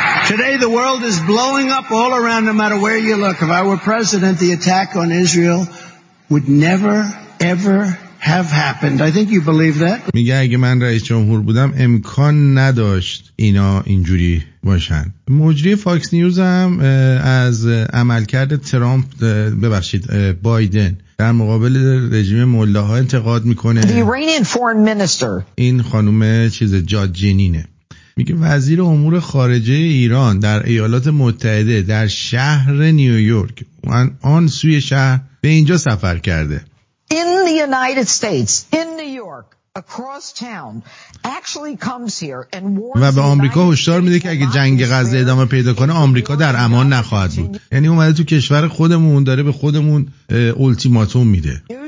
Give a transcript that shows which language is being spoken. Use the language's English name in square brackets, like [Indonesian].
[English] Today the world is blowing up all around no matter where you look. If I were president, the attack on Israel would never ever have happened. I think you believe that. [Persian] میگه اگه من رئیس جمهور بودم امکان نداشت اینا اینجوری باشن. مجری فاکس نیوز هم از عملکرد ترامپ ببخشید بایدن در مقابل رژیم ملاها انتقاد میکنه. [English] The Iranian foreign minister. [Persian] این خانم چیز جاد جنینه. میگه وزیر امور خارجه ایران در ایالات متحده در شهر نیویورک آن سوی شهر به اینجا سفر کرده. [English] In the United States, in New York, across town, actually comes here and warns. [Persian] و به آمریکا هشدار میده که اگه جنگ غزه ادامه پیدا کنه آمریکا در امان نخواهد بود. یعنی اومده تو کشور خودمون داره به خودمون اولتیماتوم میده.